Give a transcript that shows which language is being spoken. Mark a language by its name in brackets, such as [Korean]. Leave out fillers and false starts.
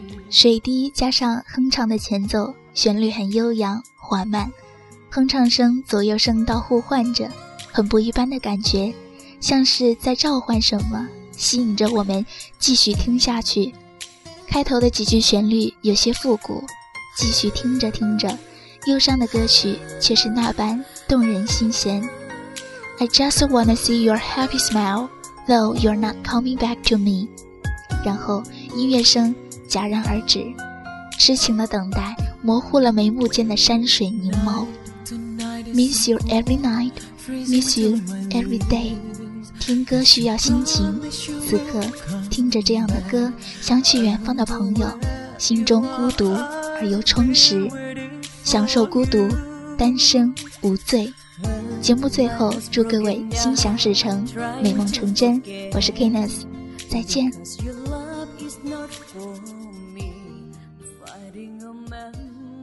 [Chinese] 水滴加上哼唱的前奏，旋律很悠扬缓慢，哼唱声左右声道互换着，很不一般的感觉，像是在召唤什么，吸引着我们继续听下去。开头的几句旋律有些复古，继续听着听着，忧伤的歌曲却是那般动人心弦。 [English] I just wanna see your happy smile, though you're not coming back to me. [Chinese] 然后音乐声戛然而止，痴情的等待模糊了眉目间的山水凝眸。 [English] Miss you every night, miss you every day. [Chinese] 听歌需要心情，此刻听着这样的歌，想起远方的朋友，心中孤独而又充实，享受孤独，单身无罪。节目最后祝各位心想事成，美梦成真。我是 Kenneth, 再见。 [English] Not for me, fighting a man.